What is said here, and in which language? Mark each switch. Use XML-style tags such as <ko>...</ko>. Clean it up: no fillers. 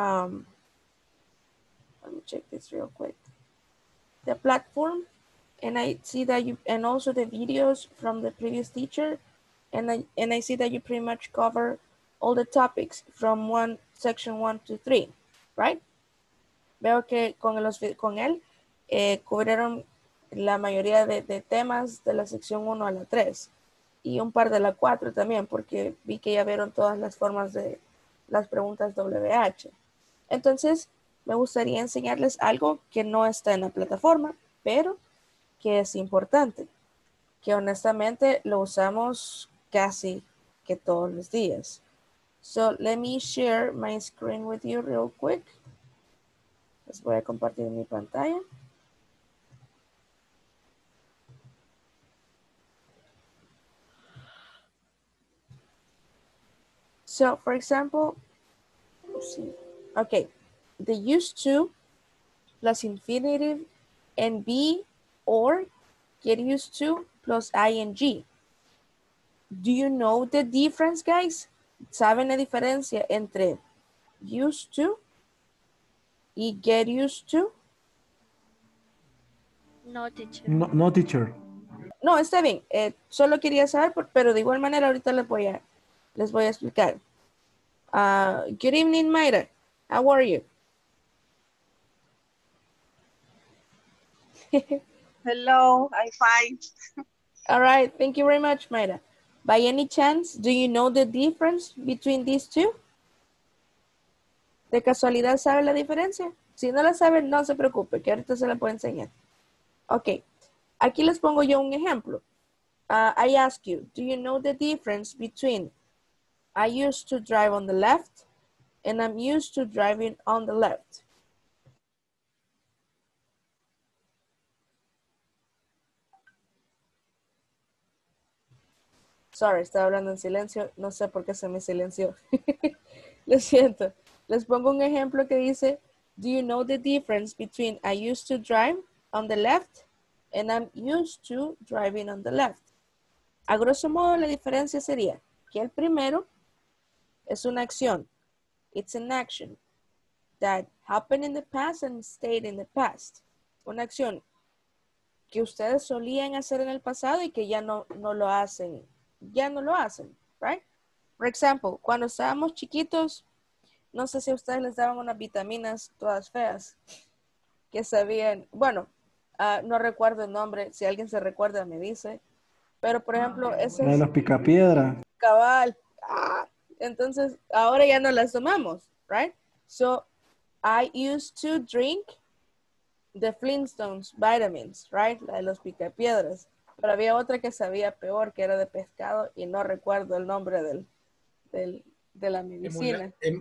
<en>Let me check this real quick. The platform, and I see that you, and also the videos from the previous teacher, and I see that you pretty much cover all the topics from one section 1 to 3, right?</en> <es>Veo que con él cubrieron la mayoría de temas de la sección 1 a la 3 y un par de la 4 también, porque vi que ya vieron todas las formas de las preguntas WH. Entonces, me gustaría enseñarles algo que no está en la plataforma, pero que es importante. que honestamente lo usamos casi que todos los días.</es> <en>So let me share my screen with you real quick.</en> <es>Les voy a compartir mi pantalla.</es> <en>So, for example, okay, the used to plus infinitive and be or get used to plus ing. Do you know the difference, guys?</en> <es>¿Saben la diferencia entre used to y get used to?</es> <en>No, teacher.</en> <es>No, está bien. Solo quería saber, pero de igual manera ahorita les voy a explicar.</es> <en>Good evening, Mayra. How are you? Hello, I'm fine. All right, thank you very much, Mayra. By any chance, do you know the difference between these two?</en> <es>¿De casualidad sabe la diferencia? Si no la sabe, no se preocupe, que ahorita se la puedo enseñar. Ok, aquí les pongo yo un ejemplo.</es> <en>I ask you, do you know the difference between I used to drive on the left and I'm used to driving on the left?</en> <es>Sorry, estaba hablando en silencio. No sé por qué se me silenció. Lo siento. Les pongo un ejemplo que dice,</es> <en>do you know the difference between I used to drive on the left and I'm used to driving on the left?</en> <es>A grosso modo, la diferencia sería que el primero es una acción.</es> <en>It's an action that happened in the past and stayed in the past.</en> <es>Una acción que ustedes solían hacer en el pasado y que ya no lo hacen. Ya no lo hacen, right? For example, cuando estábamos chiquitos, no sé si a ustedes les daban unas vitaminas todas feas que sabían, bueno, no recuerdo el nombre, si alguien se recuerda me dice, pero por ejemplo, ese la de los picapiedra. Cabal. ¡Ah! Entonces, ahora ya no las tomamos, right?</es> <en>So, I used to drink the Flintstones vitamins, right?</en> <es>La de los picapiedras. Pero había otra que sabía peor, que era de pescado, y no recuerdo el nombre de la medicina.</es>